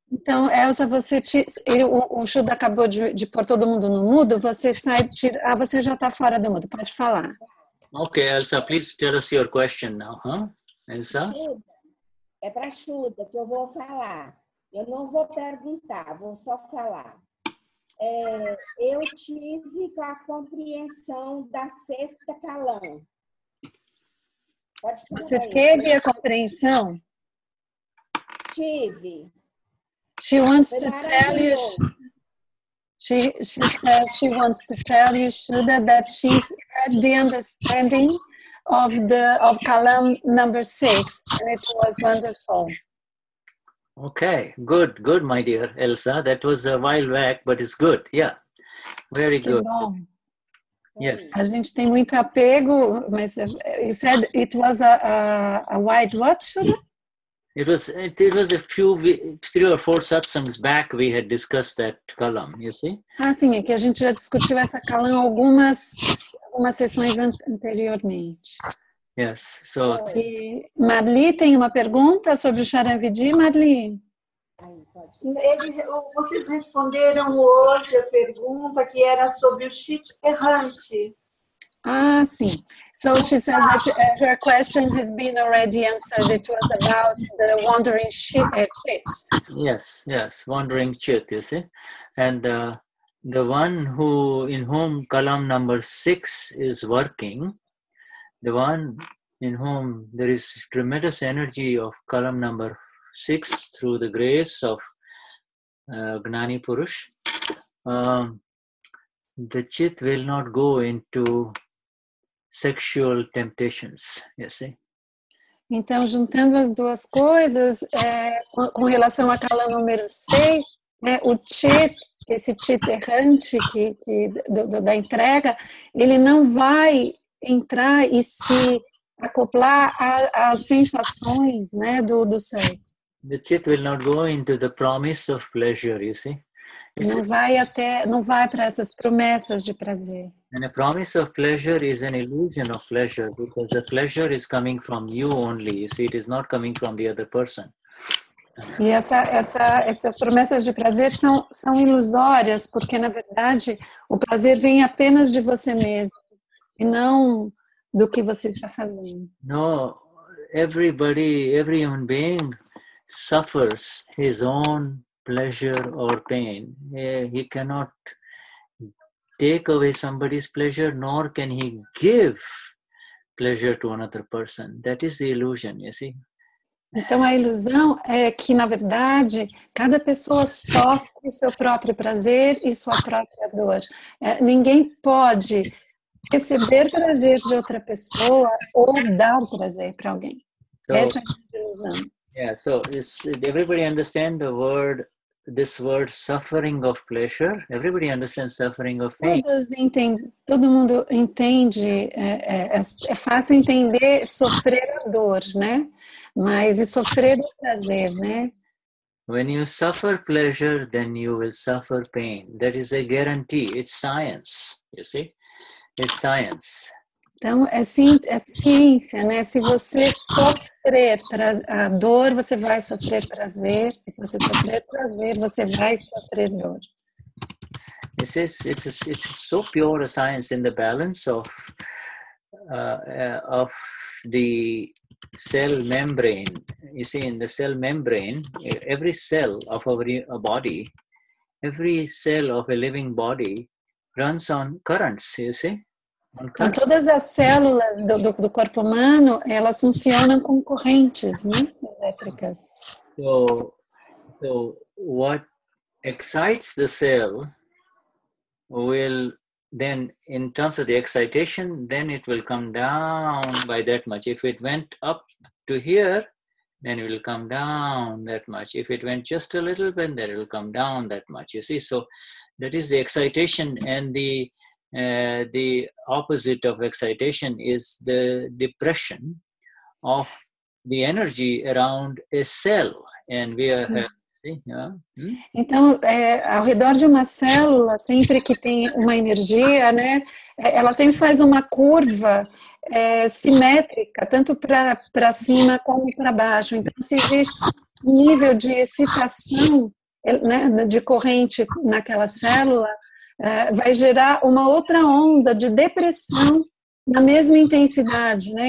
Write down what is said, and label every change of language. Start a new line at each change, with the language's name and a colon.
Portuguese: Então, Elsa, você o Shuda acabou de pôr todo mundo no mudo, você sai, você já está fora do mudo, pode falar.
English: Ok, Elsa, please tell us your question now. Huh? Elsa?
Portuguese: É para Shuda que eu vou falar. Eu não vou perguntar, vou só falar. É, eu tive com a compreensão da sexta Kalam. Você teve a compreensão? Tive.
English: She wants to tell you. She says she wants to tell you, Shuda, that she had the understanding of Kalam number 6, and it was wonderful. Okay, good, good, my dear Elsa. That was a while back, but it's good. Yeah, very good. Yes.
Portuguese: A gente tem muito apego, mas
English: you said it was a wide what, Shuda? It was a few, three or four satsangs back we had discussed that Kalam, you see?
Portuguese: Ah, sim, é que a gente já discutiu essa Kalam algumas sessões anteriormente.
English: Yes, so...
Portuguese: E Marli tem uma pergunta sobre o Charan Vidhi, Marli? Vocês responderam hoje a pergunta que era sobre o chit errante. Ah, sim.
English: So she said that her question has been already answered. It was about the wandering chit. Yes, yes, wandering chit, you see. And the one who in whom column number 6 is working, the one in whom there is tremendous energy of column number 6 through the grace of Gnani Purush, the chit will not go into sexual temptations, you see.
Portuguese: Então, juntando as duas coisas, com relação à Kalam número 6, né, o chit, esse chit errante que da entrega, ele não vai entrar e se acoplar às sensações, né, do santo.
English: The chit will not go into the promise of pleasure, you see.
Portuguese: Não vai para essas promessas de prazer.
English: And a promise of pleasure is an illusion of pleasure, because the pleasure is coming from you only, you see, it is not coming from the other person.
Portuguese: E essas promessas de prazer são ilusórias, porque na verdade o prazer vem apenas de você mesmo, e não do que você está fazendo.
English: No, every human being suffers his own pleasure or pain. He cannot take away somebody's pleasure, nor can he give pleasure to another person. That is the illusion, you see.
Portuguese: Então a ilusão é que na verdade cada pessoa sofre o seu próprio prazer e sua própria dor. Ninguém pode receber prazer de outra pessoa ou dar prazer para alguém. Essa é a ilusão.
English: Yeah, so everybody understand the word, this word suffering of pleasure? Everybody understands suffering of pain?
Portuguese: Todo mundo entende, é fácil entender sofrer a dor, né? Mas e sofrer o prazer, né?
English: When you suffer pleasure, then you will suffer pain. That is a guarantee. It's science, you see? It's science.
Portuguese: Então, é ciência, né? Se você sofrer a dor, você vai sofrer prazer. Se você sofrer prazer, você vai sofrer dor.
English: It's so pure a science in the balance of of the cell membrane. You see, in the cell membrane, every cell of our body, every cell of a living body runs on currents, you see?
Portuguese: Então, todas as células do corpo humano, elas funcionam com correntes, né? Elétricas.
English: So what excites the cell will then, in terms of the excitation, then it will come down by that much. If it went up to here, then it will come down that much. If it went just a little bit, then it will come down that much. You see, so that is the excitation, and the opposite of excitation is the depression of the energy around a cell. And we are
Portuguese: Então, ao redor de uma célula, sempre que tem uma energia, né, ela sempre faz uma curva simétrica, tanto para cima como para baixo. Então, se existe um nível de excitação, né, de corrente naquela célula, vai gerar uma outra onda de depressão na mesma intensidade, né?